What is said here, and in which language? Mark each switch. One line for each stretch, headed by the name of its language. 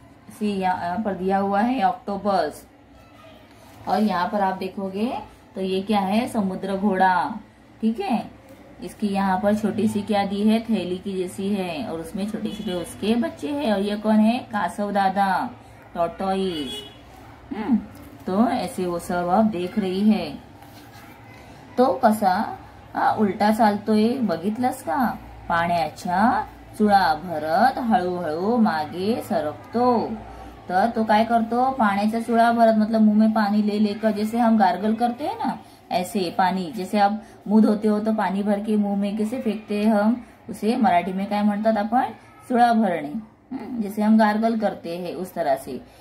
Hindi: सी यहाँ पर दिया हुआ है ऑक्टोपस, और यहाँ पर आप देखोगे तो ये क्या है, समुद्र घोड़ा। ठीक है, इसकी यहाँ पर छोटी सी क्या दी है, थैली की जैसी है, और उसमें छोटे छोटे उसके बच्चे हैं, और ये कौन है, कासव दादा, टॉर्टोइज। तो ऐसे वो सब आप देख रही है।
Marathi: तो कसा उल्टा चालतोय बघितलंस का, पाण्याचा चुळा भरत हळूहळू मागे सरकतो। तर तो काय करतो,
Hindi: पाण्याचा चुळा भरत मतलब मुंह में पानी ले लेकर, जैसे हम गार्गल करते हैं ना ऐसे पानी, जैसे आप मुंह धोते हो तो पानी भर के मुंह में कैसे फेंकते हैं हम, उसे मराठी में
Marathi: काय म्हणतात आपण,
Hindi: चुळा भरणे, जैसे हम गार्गल करते हैं उस तरह से।